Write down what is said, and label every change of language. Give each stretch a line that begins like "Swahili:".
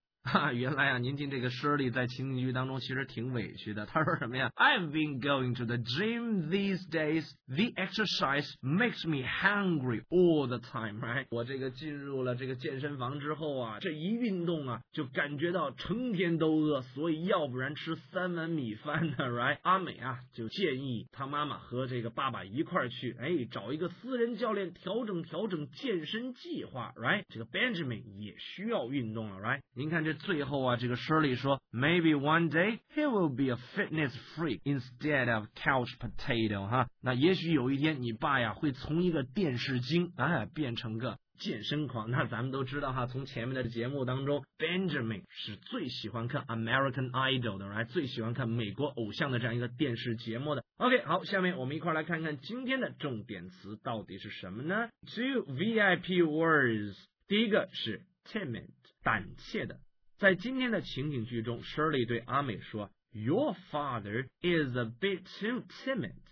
Chinese: 啊，原来啊，您听这个 Shirley 在情景剧当中其实挺委屈的。她说什么呀
English: ？I've been going to the gym these days. The exercise makes me hungry all the time, right?
Chinese: 我这个进入了这个健身房之后啊，这一运动啊，就感觉到成天都饿，所以要不然吃三碗米饭呢 ，right？阿美啊，就建议她妈妈和这个爸爸一块去，哎，找一个私人教练调整调整健身计划 ，right？ 这个 Benjamin 也需要运动了 ，right？ 您看这。
English: 最后啊，这个 Shirley 说 ，Maybe one day he will be a fitness freak instead of couch potato 哈。
Chinese: 那也许有一天你爸呀会从一个电视精哎变成个健身狂。那咱们都知道哈，从前面的节目当中 ，Benjamin 是最喜欢看 American Idol 的，来最喜欢看美国偶像的这样一个电视节目的。 OK， 好，下面我们一块来看看今天的重点词到底是什么呢 ？
English: Two VIP words，
Chinese: 第一个是。
English: Timid,
Chinese: 胆怯的。在今天的情景剧中
English: ，Shirley
Chinese: 对阿美说
English: ：“Your father is a bit too timid.